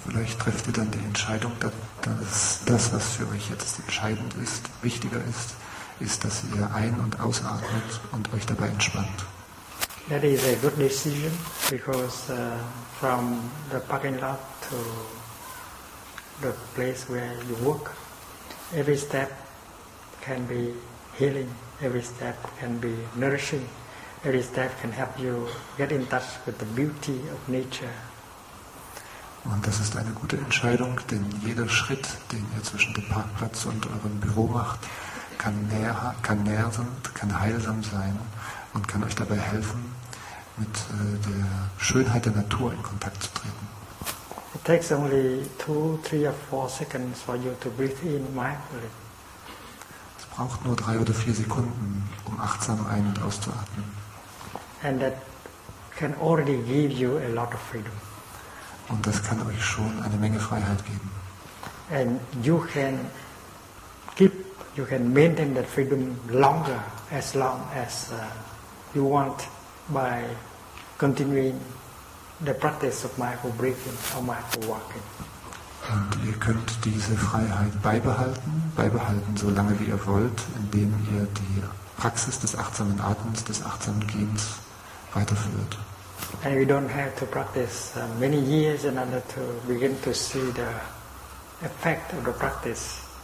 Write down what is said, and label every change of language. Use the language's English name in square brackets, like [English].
[German] Vielleicht trifft ihr dann die Entscheidung, dass das, was für euch jetzt entscheidend ist, wichtiger ist, ist, dass ihr ein- und ausatmet und euch dabei entspannt. [English] That is a good decision, because from the parking lot to the place where you work, every step can be healing, every step can be nourishing, every step can help you get in touch with the beauty of nature. [German] Und das ist eine gute Entscheidung, denn jeder Schritt, den ihr zwischen dem Parkplatz und eurem Büro macht, kann heilsam sein und kann euch dabei helfen, mit der Schönheit der Natur in Kontakt zu treten. [English] It takes only 2, 3 or 4 seconds for you to breathe in mindfully. [German] Es braucht nur 3 oder 4 Sekunden, um achtsam ein- und auszuatmen. [English] And that can already give you a lot of freedom. [German] Und das kann euch schon eine Menge Freiheit geben. [English] And you can maintain that freedom longer, as long as you want, by continuing the practice of mindful breathing or mindful walking. [German] Und ihr könnt diese Freiheit beibehalten so lange wie ihr wollt, indem ihr die Praxis des achtsamen Atmens, des achtsamen Gehens weiterführt. [English] And we don't have to practice many years in order to begin to see the effect of the practice.